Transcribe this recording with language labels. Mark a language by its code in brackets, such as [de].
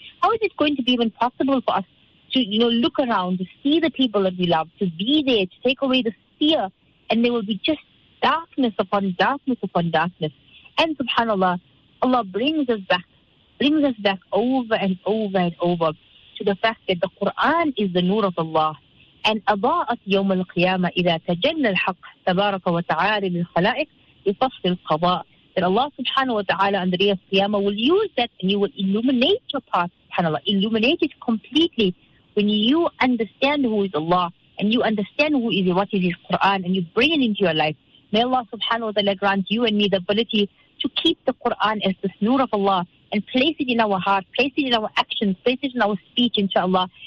[en] How is it going to be even possible for us to, you know, look around, to see the people that we love, to be there, to take away the fear, and there will be just darkness upon darkness upon darkness. And subhanAllah, Allah brings us back over and over and over to the fact that the Quran is the Nur of Allah. [ar] And أضاءت يوم القيامة إذا تجلى الحق تبارك وتعالى للخلائق لفصل القضاء. [en] That Allah subhanahu wa ta'ala on the day of Qiyamah will use that and you will illuminate your path, subhanAllah, illuminate it completely when you understand who is Allah and you understand who is what is His Quran and you bring it into your life. May Allah subhanahu wa ta'ala grant you and me the ability to keep the Quran as the Nur of Allah and place it in our heart, place it in our actions, place it in our speech, inshaAllah.